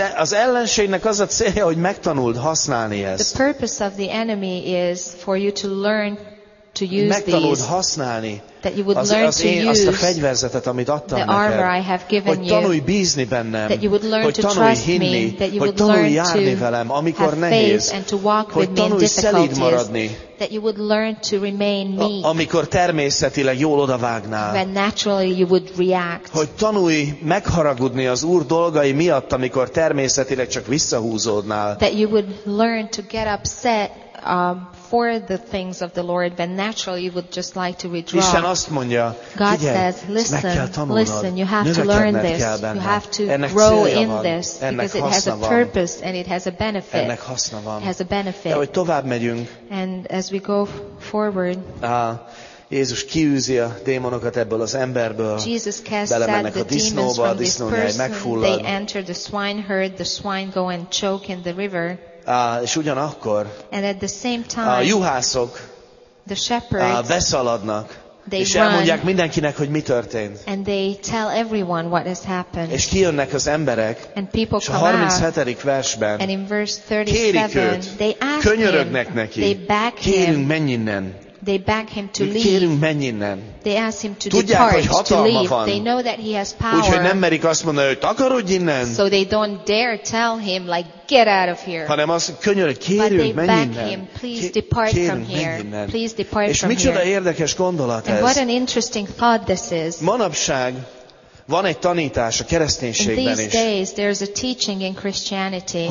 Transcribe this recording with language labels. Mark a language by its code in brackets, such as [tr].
[hu] Az ellenségnek az a célja, hogy megtanuld használni ezt. [en] The purpose of the enemy is for you to learn to use [hu] megtanuld [en] these, [hu] használni [en] that you would learn [hu] az én, [en] to use [hu] azt a fegyverzetet, amit adtam [en] the armor [hu] neked, [en] I have given [hu] hogy tanulj bízni bennem, [en] that you would learn [hu] hogy [en] to [hu] tanulj [en] trust [hu] hinni, [en] me, that you [hu] hogy [en] would [hu] tanulj [en] learn [hu] járni [en] to [hu] velem, amikor nehéz, [en] and to walk [hu] hogy [en] with me [hu] tanulj szelíd maradni, [en] that you would learn to remain meek, [hu] amikor természetileg jól odavágnál, [en] when naturally you would react, [hu] hogy tanulj megharagudni az Úr dolgai miatt, amikor természetileg csak visszahúzódnál, [en] that you would learn to get upset for the things of the Lord, then naturally you would just like to withdraw. [hu] Isten azt mondja, [en] God [hu] figyelj, [en] says, listen, listen, you have to learn this, you have to [hu] ennek [en] grow in [hu] van, [en] this, because it has a purpose and it has a benefit. It has a benefit. [hu] De, tovább megyünk, [en] and as we go forward, [hu] Jézus kiűzi a démonokat ebből az emberből, belemennek a disznóba, a disznónyáj megfullad. [en] They enter the swine herd, the swine go and choke in the river. [hu] És ugyanakkor [en] time, [hu] a juhászok [en] the shepherds, [hu] beszaladnak, [en] they [hu] és elmondják mindenkinek, hogy mi történt. [en] And they tell everyone what has happened. [hu] És kijönnek az emberek, [en] and people [hu] és a 37. versben [en] and in verse 37, [hu] kérik őt, [en] they ask [hu] könyörögnek [en] him, [hu] neki, [en] they beg [hu] kérünk, [en] him, [hu] menj innen. [en] They beg him to leave. [hu] Kérünk, menj innen. [en] They ask him to [hu] tudják, [en] depart, [hu] hogy hatalma [en] to leave. [hu] Van. [en] They know that he has power. [hu] Úgyhogy nem merik azt mondani, hogy takarodj innen. [en] So they don't dare tell him, like, get out of here. [hu] Hanem azt könyörög, kérünk, menj innen. [en] But they beg him, please depart [hu] kérünk, [en] from here. [hu] Innen. [en] Please depart [hu] és [en] from here. [hu] És micsoda érdekes gondolat ez. [en] And what an interesting thought this is. [hu] Manapság van egy tanítás a kereszténységben is. [en] In these days, there is a teaching in Christianity.